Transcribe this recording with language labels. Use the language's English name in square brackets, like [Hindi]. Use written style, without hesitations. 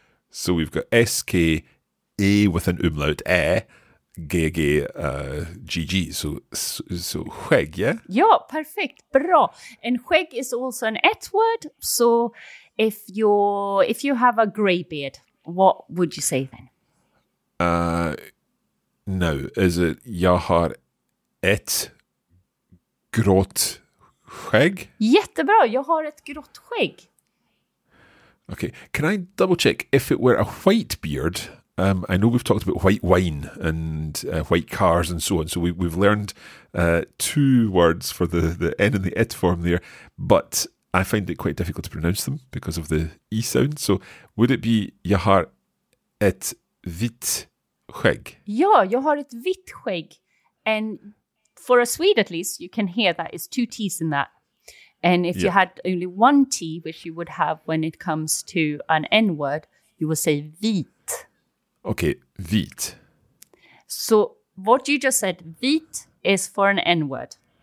[English] So we've got S-K-A with an umlaut, A, G-G. So skägg, yeah? [Swedish] Ja, perfekt. Bra. [English] And skägg is also an ett word. So if you have a grey beard, what would you say then? Now, is it [Swedish] jag har ett grått skägg? Jättebra, jag har ett grått skägg. [English] Okay, can I double check if it were a white beard? I know we've talked about white wine and white cars and so on. So we've learned two words for the N and the it form there. But I find it quite difficult to pronounce them because of the E sound. So would it be [Swedish] jag har ett vitt skägg? Ja, jag har ett vitt skägg. [English] And for a Swede, at least, you can hear that it's two T's in that. And if you had only one T, which you would have when it comes to an N word, you would say vit. Okay, vit. So what you just said, vit, is for an N word.